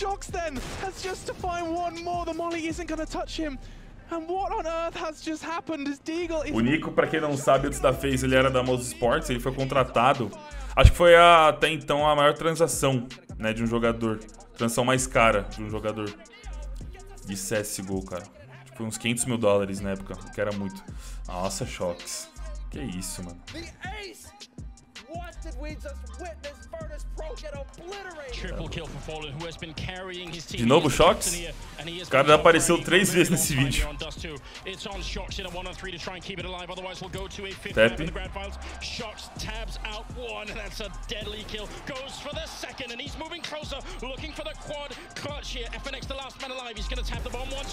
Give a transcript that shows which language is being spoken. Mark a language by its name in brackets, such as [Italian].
[English] Then has just to find one more. The Molly isn't gonna touch him. And what on earth has just happened? Is Deagle? [Portuguese] O Nico, pra quem não sabe, antes da FaZe, ele era da Mouse Sports. Ele foi contratado. Acho que foi até então a maior transação, né, de um jogador. Transação mais cara de um jogador de CSGO, cara. Tipo, foi uns $500,000 na época, que era muito. Nossa, Shox. Que isso, mano. [English] The Ace! What did we just witness? Furnace Pro get obliterated. Triple kill for Fallen, who has been carrying his team. [Portuguese] De novo, Shox? O cara já apareceu 3 vezes nesse vídeo. [English] It's on Shox in a 1-on-3 to try and keep it alive. Otherwise, we'll go to a 5-5 in the grand finals. Shox tabs out one. That's a deadly kill. Goes for the second, and he's moving closer, looking for the quad clutch here. FNX, the last man alive. He's gonna tap the bomb once.